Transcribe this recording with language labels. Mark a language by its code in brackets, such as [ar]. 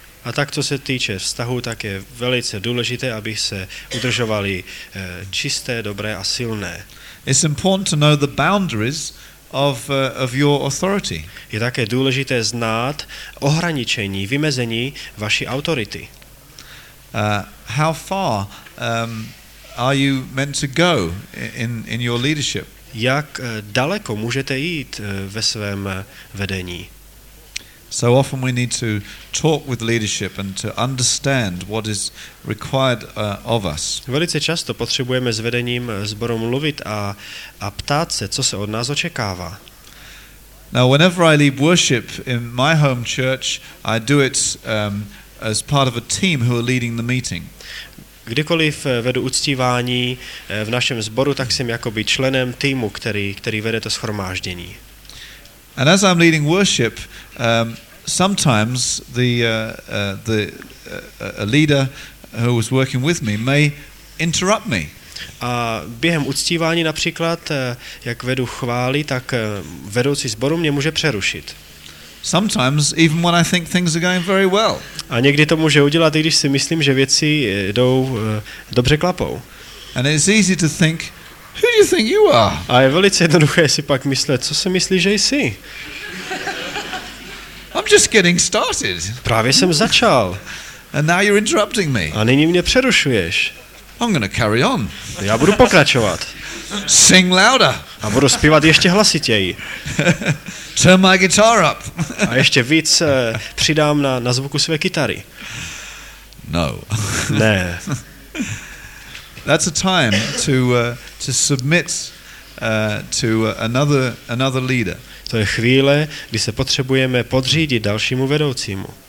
[cs] A tak co se týče vztahu, tak je velice důležité, aby se udržovali čisté, dobré a silné. [en] It's important to know the boundaries of your authority. [cs] Je také důležité znát ohraničení, vymezení vaší autority. [en] How far are you meant to go in your leadership? [cs] Jak daleko můžete jít ve svém vedení? [en] So often we need to talk with leadership and to understand what is required of us. [cs] Velice často potřebujeme s vedením sboru mluvit a ptát se, co se od nás očekává. [en] Now whenever I lead worship in my home church, I do it as part of a team who are leading the meeting. [cs] Kdykoliv vedu uctívání v našem sboru, tak jsem jakoby členem týmu, který vede to shromáždění. [en] And as I'm leading worship, sometimes the leader who was working with me may interrupt me. [cs] A během uctívání například, jak vedu chvály, tak vedoucí sboru mě může přerušit. [en] Sometimes even when I think things are going very well. [cs] A někdy to může udělat, i když si myslím, že věci jdou dobře klapou. [en] And it's easy to think, who do you think you are? [cs] A je velice jednoduché si pak myslet, co si myslíš, že jsi? [en] I'm just getting started. [cs] Právě jsem začal. [en] And now you're interrupting me. [cs] A nyní mě přerušuješ. [en] I'm gonna carry on. [cs] Já budu pokračovat. [en] Sing louder. [cs] A budu zpívat ještě hlasitěji. [en] Turn my guitar up. [cs] A ještě víc přidám na zvuku své kytary. [en] No. [cs] Ne. [en] That's a time to submit to another leader. [cs] To je chvíle, kdy se potřebujeme podřídit dalšímu vedoucímu.